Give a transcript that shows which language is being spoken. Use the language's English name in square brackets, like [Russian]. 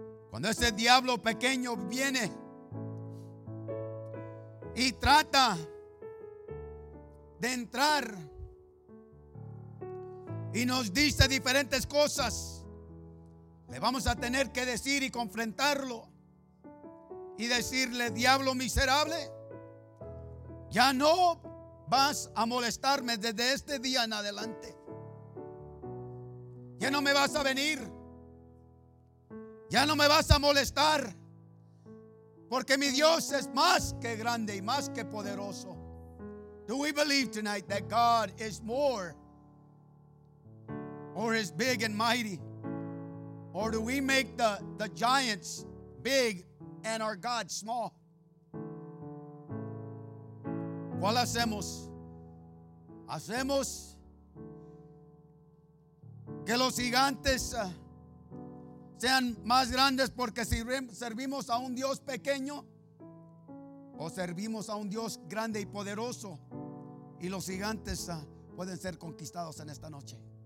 [Spanish] Cuando ese diablo pequeño viene y trata de entrar y nos dice diferentes cosas, le vamos a tener que decir y confrontarlo y decirle: diablo miserable, ya no vas a molestarme desde este día en adelante. Ya no me vas a venir. Ya no me vas a molestar, porque mi Dios es más que grande y más que poderoso. [English] Do we believe tonight that God is more, or is big and mighty? Or do we make the giants big and our God small? [Spanish] ¿Cuál hacemos? ¿Hacemos que los gigantes sean más grandes porque servimos a un Dios pequeño, o servimos a un Dios grande y poderoso, y los gigantes pueden ser conquistados en esta noche?